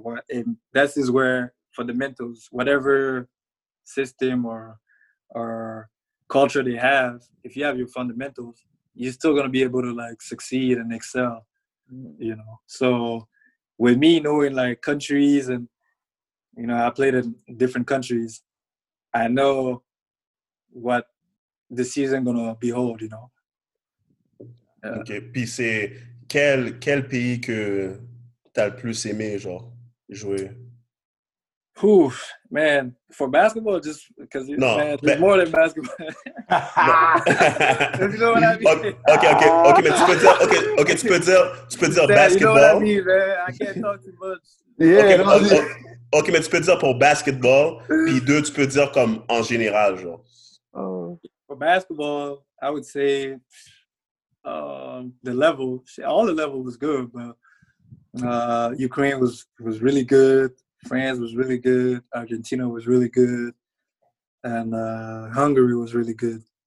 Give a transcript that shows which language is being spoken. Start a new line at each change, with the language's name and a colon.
English: And that is where fundamentals, whatever system or culture they have, if you have your fundamentals, you're still going to be able to, like, succeed and excel, you know. So with me knowing, like, countries and, you know, I played in different countries, I know what the season going to behold, you know.
French: OK, puis c'est quel pays que tu as le plus aimé, genre, jouer?
English: Ouf, man, for basketball, just because you know, ben, more than basketball. You know what I mean?
French: OK, mais tu peux dire, okay tu peux dire
English: yeah, basketball. You know what I mean, man? I can't talk too much. Yeah.
French: OK, mais tu peux dire pour basketball, puis deux, tu peux dire comme en général, genre.
English: For basketball, I would say the level, all the level was good, but Ukraine was really good. France was really good. Argentina was really good. And Hungary was really good.